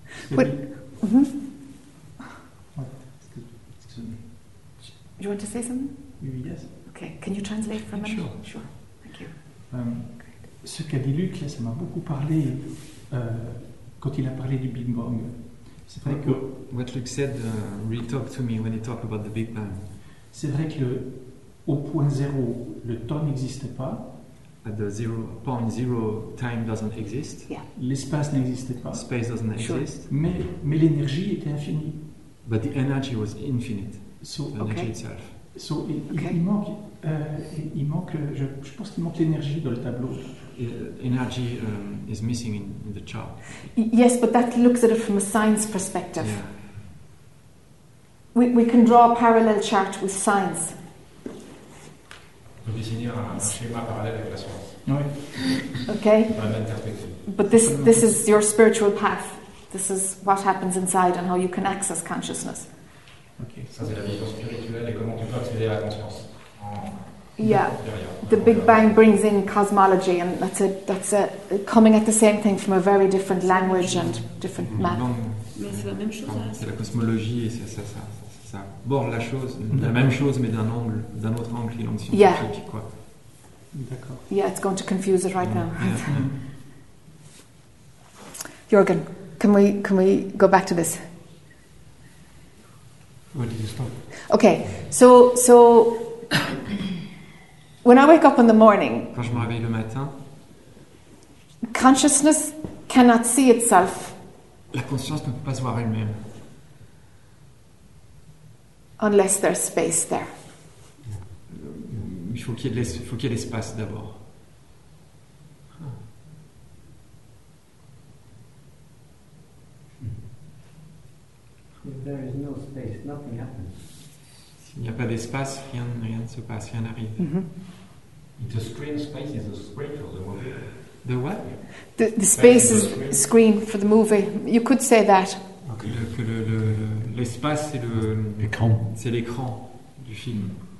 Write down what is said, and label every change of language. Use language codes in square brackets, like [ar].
[en] Do you want to say something? Yes. Okay. Can you translate for a minute? Sure. Sure. Thank you. [fr] Ce qu'a dit Luc, là, ça m'a beaucoup parlé quand il a parlé du Big Bang. C'est vrai que [en] what Luke said really talked to me when he talked about the Big Bang. [fr] C'est vrai que au point zéro, le temps n'existe pas. [en] At the zero point zero, time doesn't exist. Yeah. [fr] L'espace n'existait pas. [en] Space doesn't exist. [fr] Mais l'énergie était infinie. [en] But the energy was infinite. So energy okay. Itself. So okay. [fr] Il manque. Je pense qu'il manque l'énergie dans le tableau. [en] Energy is missing in the chart. Yes, but that looks at it from a science perspective. Yeah. We can draw a parallel chart with science. [fr] On dessine un schéma parallèle avec la science. Oui. [en] Okay. [fr] Dans la même perspective. [en] But this is your spiritual path. This is what happens inside and how you can access consciousness. Okay. [fr] Ça c'est la vision spirituelle et comment tu peux accéder à la conscience. [en] Yeah, the Big Bang brings in cosmology, and that's coming at the same thing from a very different language and different math. [fr] C'est la cosmologie et ça borde la chose, la même chose, mais d'un angle, d'un autre angle, l'angle scientifique, quoi. D'accord. [en] Yeah, it's going to confuse it right now. Jürgen, can we go back to this? Where did you stop? Okay, so. When I wake up in the morning, [fr] quand je me réveille le matin, [en] consciousness cannot see itself. [fr] La conscience ne peut pas se voir elle-même. [en] Unless there's space there. [fr] Il faut qu'il y ait de l'espace d'abord. S'il n'y a pas d'espace, rien ne se passe, rien n'arrive. Mm-hmm. [en] The screen space is a screen for the movie. The what? The space is a screen for the movie. You could say that. [fr] Okay. L'espace c'est l'écran. C'est l'écran du film.